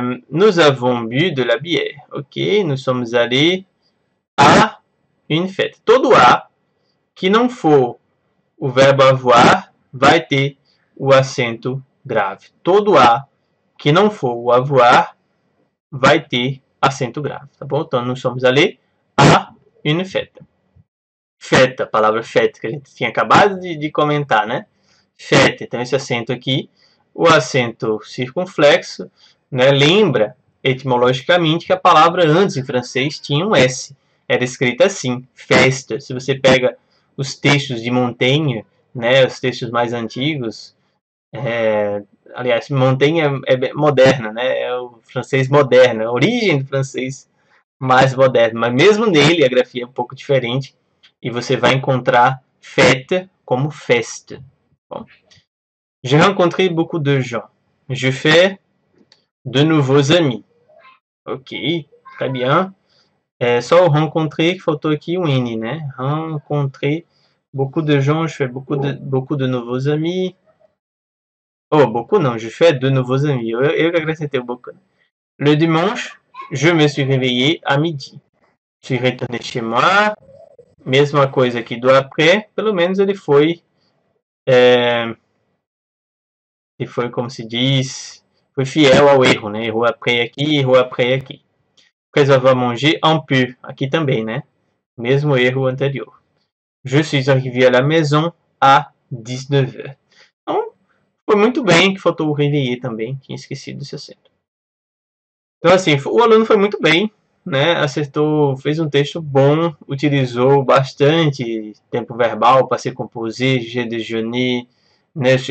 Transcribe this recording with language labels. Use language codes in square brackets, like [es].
[fr] Nous avons bu de la bière. Ok, nous sommes allés à une fête. [pt] Todo a que não for o verbo avoir vai ter o acento grave. Todo a que não for o avoir, vai ter acento grave, tá bom? Então, nós somos ali a [fr] une fête. [pt] Fête, a palavra fête que a gente tinha acabado de comentar, né? Fête, então esse acento aqui, o acento circunflexo, né? Lembra etimologicamente que a palavra antes em francês tinha um S. Era escrita assim, festa. Se você pega os textos de Montaigne, né? Os textos mais antigos, aliás, Montaigne é moderna, né? É o francês moderno, a origem do francês mais moderno. Mas mesmo nele, a grafia é um pouco diferente e você vai encontrar fête como festa. Bom. [fr] Je rencontre beaucoup de gens. Je fais de nouveaux amis. Ok, très bien. [pt] É só o rencontrer que faltou aqui o N, né? [fr] Rencontre beaucoup de gens. Je fais beaucoup de nouveaux amis. Oh, beaucoup non, je fais de nouveaux amis. [pt] Eu que acrescentei beaucoup. [fr] Le dimanche, je me suis réveillé à midi. Je suis retourné chez moi. [pt] Mesma coisa aqui do après, pelo menos ele foi, como se diz, foi fiel ao erro, né? Errou après aqui, errou après aqui. [fr] Après avoir mangé un peu, [pt] aqui também, né? Mesmo erro anterior. [fr] Je suis arrivé à la maison à 19h. [pt] Foi muito bem que faltou o réveillé também. Tinha esquecido esse acento. Então, assim, o aluno foi muito bem, né? Acertou, fez um texto bom, utilizou bastante tempo verbal, passé composé, [fr] j'ai déjeuné, [pt] né?